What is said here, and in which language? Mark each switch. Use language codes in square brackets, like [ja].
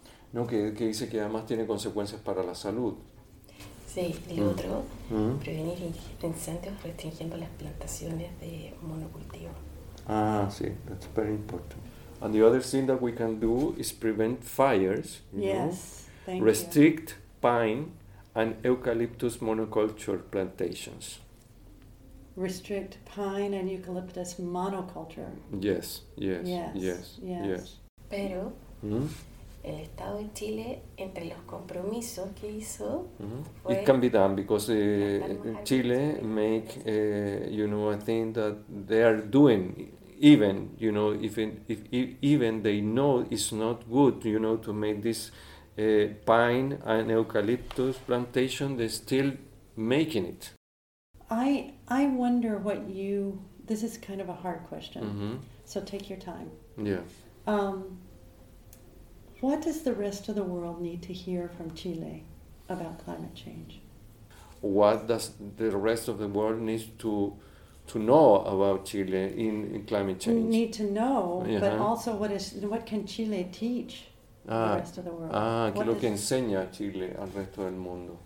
[es] No, que dice que además tiene consecuencias para la salud. Sí, el otro, prevenir incendios restringiendo las plantaciones de monocultivo. Ah, sí, [en] that's very important. And the other thing that we can do is prevent fires. Yes, know? Thank restrict you. Restrict pine and eucalyptus monoculture plantations. Restrict pine and eucalyptus monoculture. Yes, yes, yes, yes, yes. [es] Pero, el Estado de Chile, entre los compromisos que hizo, [en] it can be done because Chile make, you know, a thing that they are doing, even, you know, even they know it's not good, you know, to make this pine and eucalyptus plantation, they're still making it. I wonder what you, this is kind of a hard question, mm-hmm, so take your time. Yeah. What does the rest of the world need to hear from Chile about climate change? What does the rest of the world need to know about Chile in climate change? Need to know, uh-huh, but also what can Chile teach the rest of the world? Ah, what [es] que lo que enseña Chile al resto del mundo.